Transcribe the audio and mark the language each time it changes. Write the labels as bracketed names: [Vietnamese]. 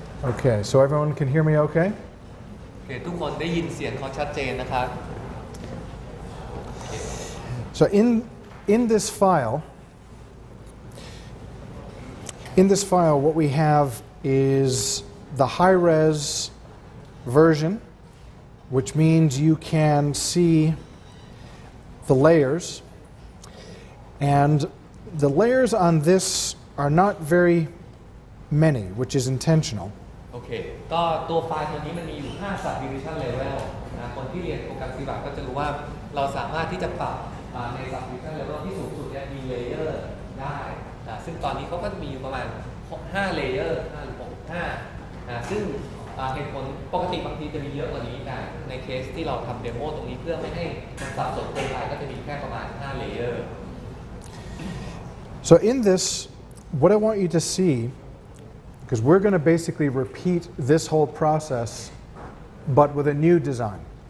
[English] Okay, so everyone can hear me okay? [Thai] Okay, ทุกคนได้ยินเสียงเขาชัดเจนนะครับ [English] So in this file, what we have is the high-res version, which means you can see the layers. And the layers on this are not very many, which is intentional. Okay. [Thai] ตัวไฟล์ตัวนี้มันมีอยู่5 subdivision level. คนที่เรียนโปรแกรม C++ ก็จะรู้ว่าเราสามารถที่จะปรับในสับดิวิชันเลเวลที่สูงสุดเนี่ยมีเลเยอร์ได้ซึ่งตอนนี้เขาก็จะมีอยู่ประมาณ5 เลเยอร์5 หรือ 6 5 ซึ่งเหตุผลปกติบางทีจะมีเยอะกว่านี้แต่ในเคสที่เราทำเดโมตรงนี้เพื่อไม่ให้มันสับสนเกินไปก็จะมีแค่ประมาณ5เลเยอร์ [English] So in this what I want you to seeBecause we're going to basically repeat this whole process, but with a new design.